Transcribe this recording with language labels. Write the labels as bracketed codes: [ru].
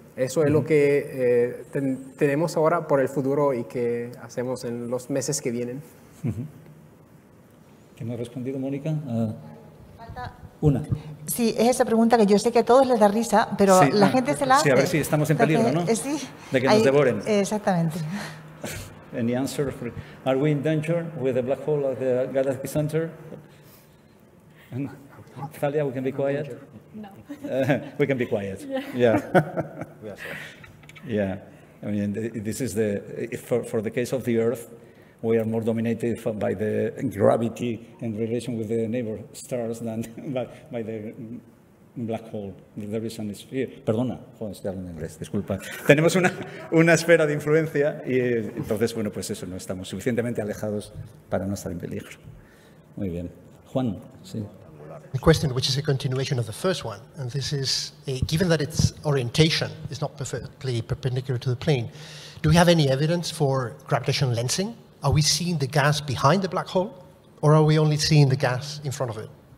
[es] Eso es lo que tenemos ahora por el futuro y que hacemos en los meses que vienen. ¿Qué me ha respondido, Mónica? Una. Sí, es esa pregunta que yo sé que a todos les da risa, pero sí, la gente se la hace. Sí, a ver si estamos en peligro, ¿no? Sí. De que nos devoren. Exactamente. [en] Any answer? Are we in danger with the black hole at the galaxy center? Thalia, we can be quiet. we can be quiet. Yeah. Yeah. Yeah. I mean, this is the for the case of the Earth, we are more dominated by the gravity in relation with the neighbor stars than by the black hole. There is an sphere. [es] Perdona, joder, estoy hablando en inglés, disculpa. Tenemos una esfera de influencia y entonces, bueno, pues eso, no estamos suficientemente alejados para no estar en peligro. Muy bien. Juan, sí. [en] The question, which is a continuation of the first one, and this is, given that its orientation is not perfectly perpendicular to the plane, do we have any evidence for gravitational lensing? Are we seeing the gas behind the black hole, or are we only seeing the gas in front of it?